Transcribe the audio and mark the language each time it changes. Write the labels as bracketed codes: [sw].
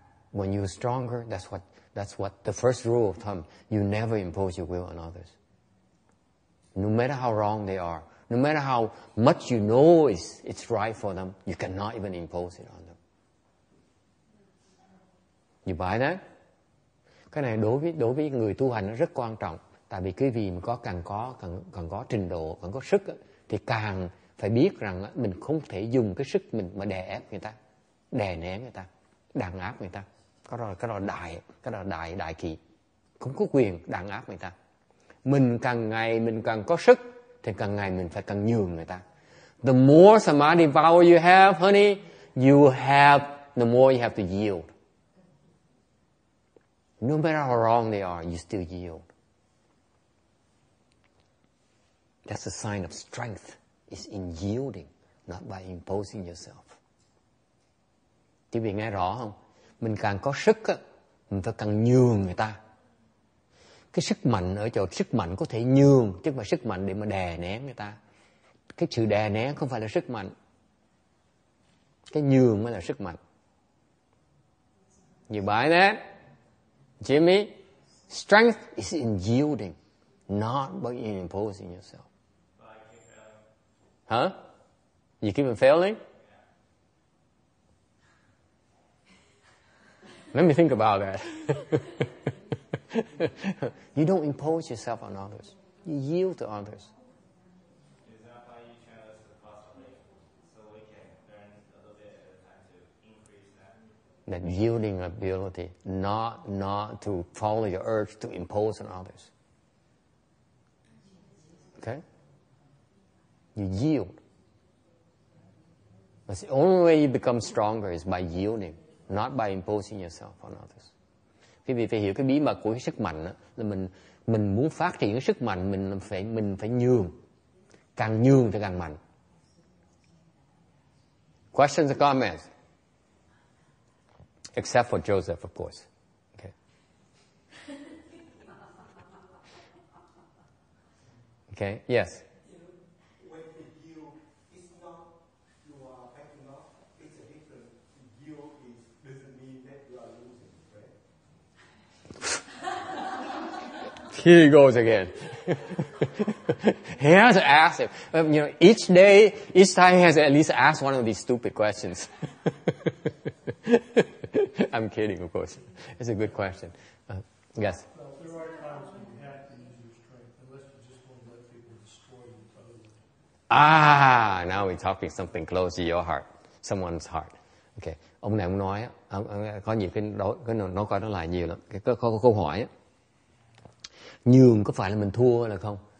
[en] When you're stronger, that's what the first rule of thumb, you never impose your will on others. No matter how wrong they are, no matter how much you know it's right for them, you cannot even impose it on them. You buy that? [vi] Cái này đối với người tu hành nó rất quan trọng. Tại vì quý vị mà càng có trình độ, càng có sức thì càng phải biết rằng mình không thể dùng cái sức mình mà đè ép người ta, đè nén người ta, đàn áp người ta. Cái đó là đại kỵ. Không có quyền đàn áp người ta. Mình càng ngày mình càng có sức thì càng ngày mình phải càng nhường người ta. [en] The more samadhi power you have, honey, you have, the more you have to yield. No matter how wrong they are, you still yield. That's a sign of strength, is in yielding, not by imposing yourself. [vi] Thì bị nghe rõ không? Mình càng có sức, mình phải càng nhường người ta. Cái sức mạnh ở chỗ sức mạnh có thể nhường, chứ mà sức mạnh để mà đè nén người ta. Cái sự đè nén không phải là sức mạnh. Cái nhường mới là sức mạnh. [en] You buy that? Jimmy, strength is in yielding, not by imposing yourself. Huh? You keep on failing? Let me think about that. You don't impose yourself on others. You yield to others. Is that why you chant us the postulate so we can learn a little bit of time to increase that? That yielding ability, not to follow your urge to impose on others. Okay? You yield. That's the only way you become stronger is by yielding, not by imposing yourself on others. Quý vị phải hiểu cái bí mật của cái sức mạnh đó, là mình muốn phát triển cái sức mạnh, mình phải nhường. Càng nhường thì càng mạnh. Questions or comments? Except for Joseph, of course. Okay. Okay, yes. Here he goes again. He has to ask him. You know, each day, each time he has to at least ask one of these stupid questions. I'm kidding, of course. It's a good question. Yes? Well, there are times when you have to use your strength, unless you just want to let people destroy you totally. Ah, now we're talking something close to your heart, someone's heart. Okay. [vi] Ông này ông nói, có nhiều cái nói qua nó lại nhiều lắm. Có câu hỏi á. Nhường có phải là mình thua là không?